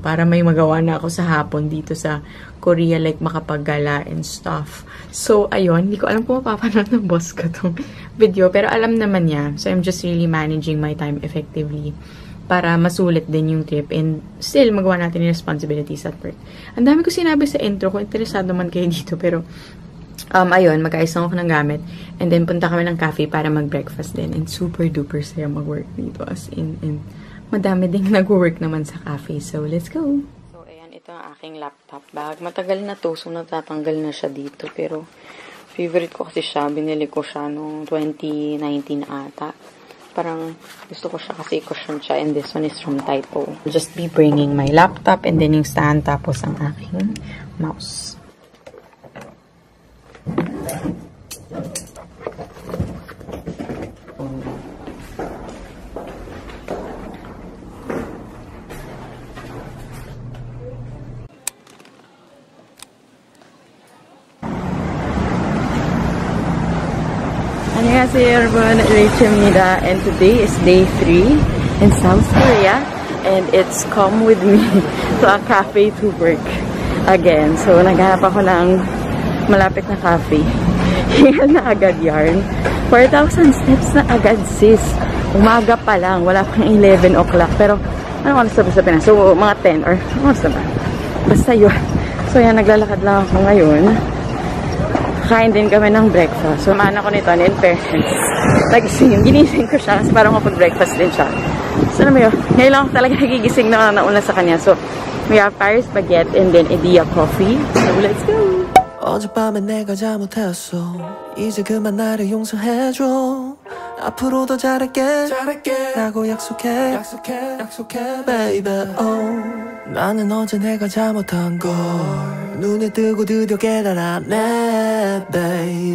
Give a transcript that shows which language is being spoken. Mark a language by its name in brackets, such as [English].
[Filipino] Para may magawa na ako sa hapon dito sa Korea, like makapag-gala and stuff. So, ayun, hindi ko alam kung mapapanood ng boss ko itong video. Pero alam naman niya. [English] So, I'm just really managing my time effectively [Filipino] para masulit din yung trip. [English] And still, [Filipino] magawa natin yung [English] responsibilities at work. [Filipino] Ang dami ko sinabi sa intro, kung interesado man kayo dito. Pero, ayun, mag-ayos lang ako ng gamit. And then, punta kami ng cafe para mag-breakfast din. [English] And super duper [Filipino] saya mag-work dito. As in, and madami ding nag-work naman sa cafe. [English] So, let's go! [Filipino] Ito ang aking laptop bag. Matagal na to, so natatanggal na siya dito. Pero, favorite ko kasi siya. Binili ko siya noong 2019 ata. Parang, gusto ko siya kasi cushion siya. [English] And this one is from Typo. I'll just be bringing my laptop and then yung stand, [Filipino] tapos ang aking mouse. [English] Hi everyone, Rachel Mida, and today is day 3 in South Korea, and it's come with me to a cafe to work again. [Filipino] So, naghahanap ako ng malapit na cafe. Hingal na agad yarn. 4,000 steps na agad, sis. Umaga pa lang, wala pang 11 o'clock. Pero, ano ko sabi sa Pinas? So, mga 10 or ano ko sabi? Basta yun. So, yan, naglalakad lang ako ngayon. Kain din kami ng breakfast. So, maana ko nito, in person. Nagising. Ginising ko siya. Kasi parang mapag-breakfast din siya. So, alam mo yun. Ngayon lang ako talaga nagigising na nauna sa kanya. [English] So, we have Paris baguette and then Edea coffee. So, let's go! [Korean] 어젯밤에 내가 잘못했어. 이제 그만 나를 용서해줘. 앞으로도 잘할게. 잘할게. 라고 약속해. 약속해. 약속해, baby. Oh. 나는 어제 내가 잘못한 걸. 눈에 뜨고 드디어 깨달았네, baby.